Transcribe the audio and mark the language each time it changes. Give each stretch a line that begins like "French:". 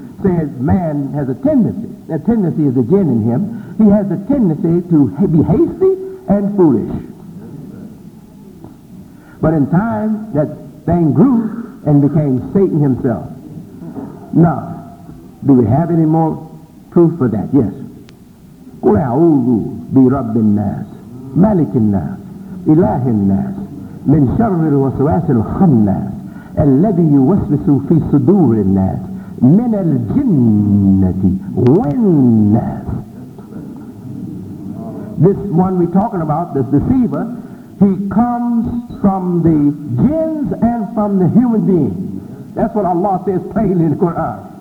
English: Says man has a tendency. That tendency is a jinn in him. He has a tendency to be hasty and foolish. But in time, that thing grew and became Satan himself. Now, do we have any more proof for that? Yes.
Arabic: قل أعوذ برب الناس ملك الناس إله الناس من شر الوسواس الخناس الذي يوسوس في صدور الناس من الجنة والناس.
English: This one we're talking about, this deceiver, he comes from the jinns and from the human beings. That's what Allah says plainly in the Quran.